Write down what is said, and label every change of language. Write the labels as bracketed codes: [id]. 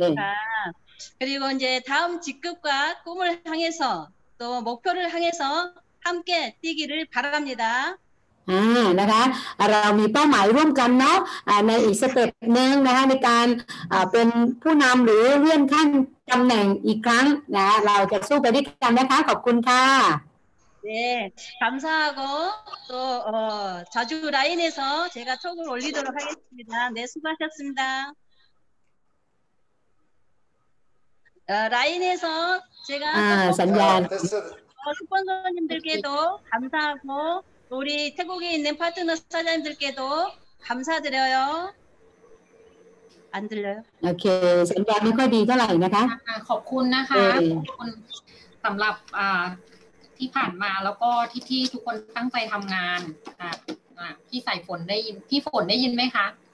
[th] นี่ยค่ะ [ko] 그리고이제다음직급과꿈을향해서또목표를향해서함께뛰기를바랍니다 [th] นะคะเรามีเป้าหมายร่วมกันเนาะในอีกสเต็ปนึงนะคะในการเป็นผู้นำหรือเลื่อนขั้นตำแหน่งอีกครั้งนะเราจะสู้ไปด้วยกันนะคะขอบคุณค่ะ [ko] 네, 감사하고 또 자주 라인에서 제가 톡을 올리도록 하겠습니다. 네, 수고하셨습니다. 라인에서 제가 스폰서님들께도 감사하고 우리 태국에 있는 파트너 사장님들께도 감사드려요. 안 들려요? [en] 오케이. [ko] 전달이 거의 되지 않아요? 네. 감사합니다. 감사합니다. [th] ที่ผ่านมาแล้วก็ที่ทุกคนตั้งใจทำงานพี่ใส่ฝนได้ยินพี่ฝนได้ยินไหมคะ